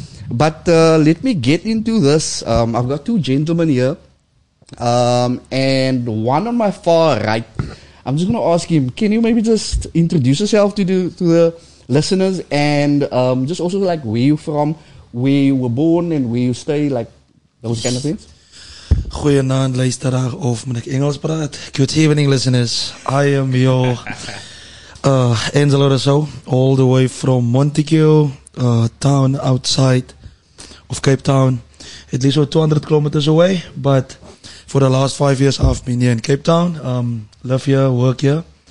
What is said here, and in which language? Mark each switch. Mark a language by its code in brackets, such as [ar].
[en] But let me get into this. I've got two gentlemen here. And one on my far right, I'm just going to ask him, can you maybe just introduce yourself to the listeners and just also like where you're from, where you were born and where you stay, like those kind of things? [af] Goeienaand, luisteraar, of moet ik Engels praat? [en] Good evening, listeners. I am your Angelo Rousseau, all the way from Montague, town outside of Cape Town. At least 200 kilometers away, but... for the last 5 years I've been here in Cape Town. Live here, work here.